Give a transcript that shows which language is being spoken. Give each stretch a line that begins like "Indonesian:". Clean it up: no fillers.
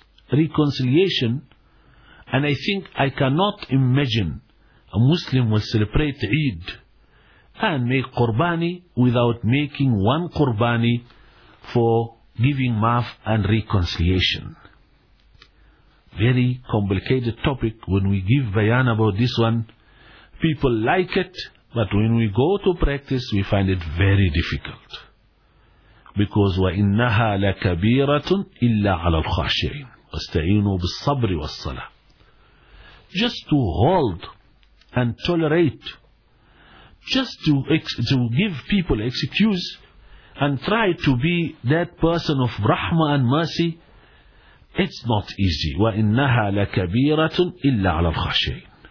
English: Reconciliation, and I think I cannot imagine a Muslim will celebrate Eid and make Qurbani without making one Qurbani for giving maaf and reconciliation. Very complicated topic. When we give bayan about this one, people like it, but when we go to practice, we find it very difficult. Because
Arabic: وَإِنَّهَا لَكَبِيرَةٌ إِلَّا عَلَى الْخَاشِعِينَ وَاسْتَعِينُوا بِالصَّبْرِ وَالصَّلَةِ.
English: Just to hold and tolerate, just to give people excuse and try to be that person of rahmah and mercy, it's not easy.
Arabic: وَإِنَّهَا لَكَبِيرَةٌ إِلَّا عَلَى الْخَاشِعِينَ.